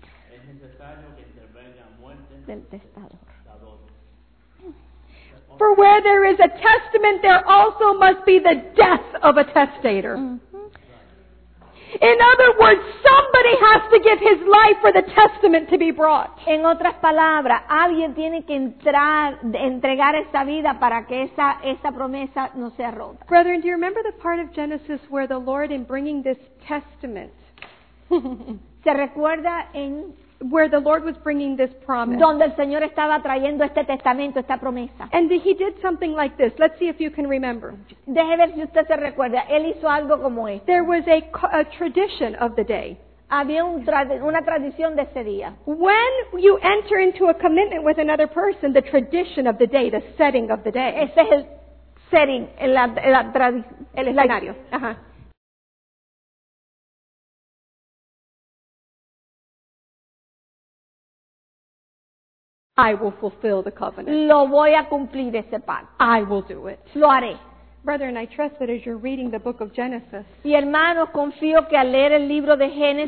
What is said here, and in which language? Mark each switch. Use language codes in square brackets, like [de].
[es] Es necesario que intervenga muerte del testador. [en] For where there is a testament, there also must be the death of a testator. In other words, somebody has to give his life for the testament to be brought. [es] En otras palabras, alguien tiene que entregar esa vida para que esa promesa no sea rota. [en] Brethren, do you remember the part of Genesis where the Lord, in bringing this testament, [es] se recuerda en [en] where the Lord was bringing this promise. [es] Donde el Señor estaba trayendo este testamento, esta promesa. [en] And He did something like this. Let's see if you can remember. [es] Deje ver si usted se recuerda. Él hizo algo como esto. [en] There was a tradition of the day. [es] Había una tradición de ese día. [en] When you enter into a commitment with another person, the tradition of the day, the setting of the day. [es] Ese es el setting, el escenario. [en] I will fulfill the covenant. [es] Lo voy a cumplir ese pacto. [en] I will do it. [es] Lo haré. [en] Brethren, I trust that as you're reading the book of Genesis, [es] y hermanos, confío que al leer el libro de Génesis,